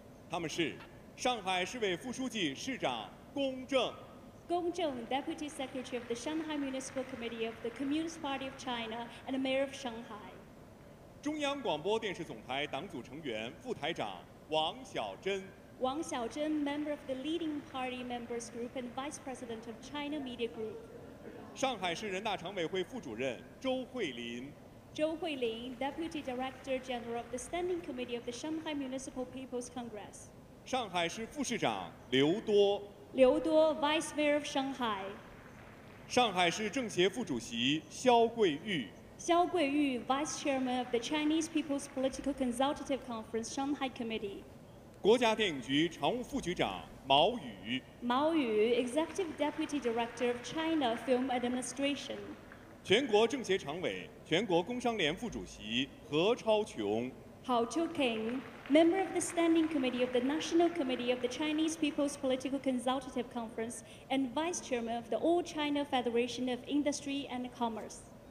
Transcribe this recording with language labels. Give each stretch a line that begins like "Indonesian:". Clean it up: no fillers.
Chinese: 他们是上海市委副书记市长龚正。
English: Gong Zheng, Deputy Secretary of the Shanghai Municipal Committee of the Communist Party of China and the Mayor of Shanghai.
Chinese: 中央广播电视总台党组成员副台长王小珍。
English: Wang Xiaozhen, member of the leading party members group and vice president of China Media Group.
Chinese: 上海市人大常委会副主任周慧琳。
English: Zhou Huilin, Deputy Director General of the Standing Committee of the Shanghai Municipal People's Congress.
Chinese: 上海市副市长刘多。
English: Liu Duo, Vice Mayor of Shanghai.
Chinese: 上海市政协副主席肖桂玉。
English: Xiao Guiyu, Vice Chairman of the Chinese People's Political Consultative Conference, Shanghai Committee.
Chinese: 国家电影局常务副局长毛宇。
English: Mao Yu, Executive Deputy Director of China Film Administration.
Chinese: 全国政协常委、全国工商联副主席何超琼。
English: Hao Chuqing, Member of the Standing Committee of the National Committee of the Chinese People's Political Consultative Conference and Vice Chairman of the All China Federation of Industry and Commerce.